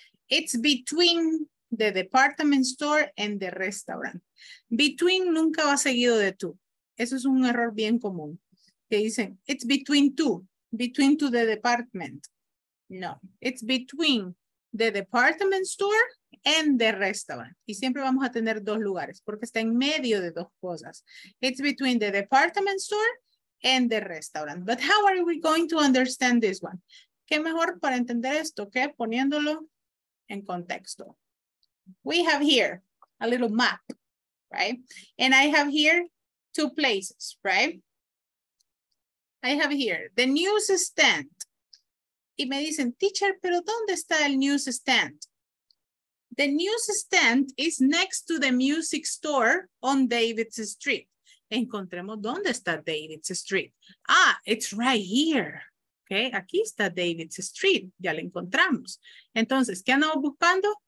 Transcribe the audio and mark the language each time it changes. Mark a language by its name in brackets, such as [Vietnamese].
[English] It's between the department store and the restaurant. [Spanish] Between nunca va seguido de to. Eso es un error bien común. Que dicen, [English] it's between two. Between to the department. No, it's between the department store and the restaurant. [Spanish] Y siempre vamos a tener dos lugares porque está en medio de dos cosas. [English] It's between the department store and the restaurant. But how are we going to understand this one? [Spanish] ¿Qué mejor para entender esto que poniéndolo en contexto? [English] We have here a little map, right? And I have here two places, right? I have here the newsstand. [Spanish] Y me dicen, teacher, pero ¿dónde está el newsstand? [English] The newsstand is next to the music store on David's Street. [Spanish] Encontremos, ¿dónde está David's Street? [English] Ah, it's right here. [Spanish] Okay, aquí está David's Street. Ya la encontramos. Entonces, ¿qué andamos buscando?